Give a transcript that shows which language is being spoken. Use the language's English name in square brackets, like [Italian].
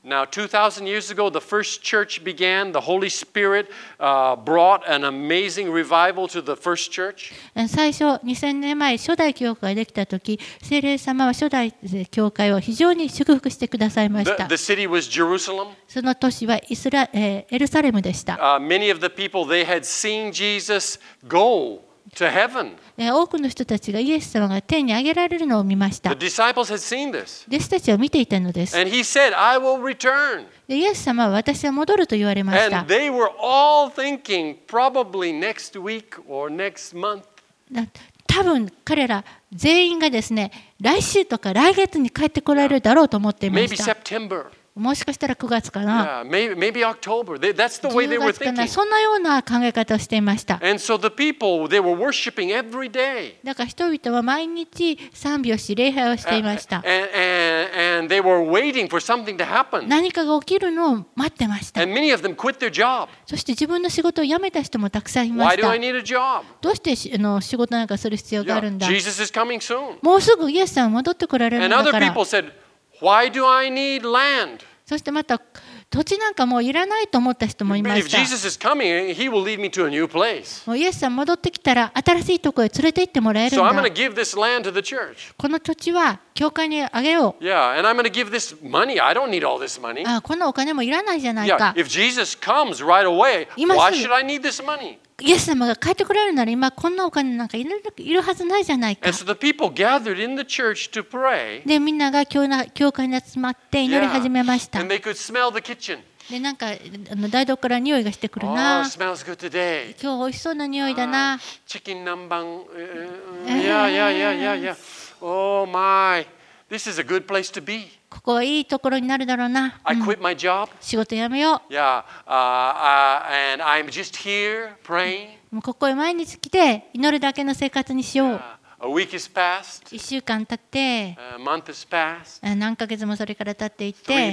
[English] Now, 2000 years ago, the first church began. The Holy Spirit, brought an amazing revival to the first church. [Japanese] 最初、2000年前、初代教会ができたとき、聖霊様は初代教会を非常に祝福してくださいました。 [English] The city was Jerusalem. [Japanese] その都市はエルサレムでした。 [English] Many of the people, they had seen Jesus go. To heaven. [Japanese] 多くの人たちがイエス様が天に上げられるのを見ました。 [English] The disciples had seen this. [Japanese] 弟子たちは見ていたのです。 [English] And he said, I will return. [Japanese] でイエス様は私は戻ると言われました。 [English] And they were all thinking, probably next week or next month. [Japanese] 多分彼ら全員がですね、来週とか来月に帰ってこられるだろうと思っていました。 [English] Maybe September. [Japanese] もしかしたら9月かな。 [English] Maybe October. That's the way they were thinking. [Japanese] 10月かな。そんなような考え方をしていました。 [English] And so the people, they were worshiping every day. [Japanese] だから人々は毎日賛美をし礼拝をしていました。 [English] And they were waiting for something to happen. [Japanese] 何かが起きるのを待ってました。 [English] And many of them quit their job. [Japanese] そして自分の仕事を辞めた人もたくさんいました。 [English] Why do I need a job? [Japanese] どうして仕事なんかする必要があるんだ。 [English] Jesus is coming soon. [Japanese] もうすぐイエスさん戻ってこられるんだから。 [English] And other people said,Why do I need land? [Japanese] そしてまた土地なんかもういらないと思った人もいました。 [English] If Jesus is coming, he will lead me to a new place. [Japanese] もうイエスさん戻ってきたら新しいところへ連れて行ってもらえるんだ。 [English] So I'm going to give this land to the church. [Japanese] この土地は教会にあげよう。 [English] Yeah, and I'm going to give this money. I don't need all this money. [Japanese] あ、このお金もいらないじゃないか。 [English] Yeah, if Jesus comes right away, why should I need this money? [Japanese] イエス様が帰ってくれるなら今こんなお金なんかいるはずないじゃないか。 [English] So、the people gathered in the church to pray. [Japanese] でみんなが教会に集まって祈り始めました。 [English] Yeah. And they could smell the kitchen. [Japanese] でなんか台所から匂いがしてくるな。 [English] Oh, smells good today. [Japanese] 今日美味しそうな匂いだな。チキン南蛮。Yeah. [English] Oh my. This is a good place to be. [Japanese] ここはいいところになるだろうな。 [English] I quit my job. [Japanese] 仕事辞めよう。 [English] Yeah. And I'm just here praying. [Japanese] もうここへ毎日来て祈るだけの生活にしよう。 [English] Yeah. A week has passed. [Japanese] 1週間経って。 [English] A month has passed. [Japanese] 何ヶ月もそれから経っていて。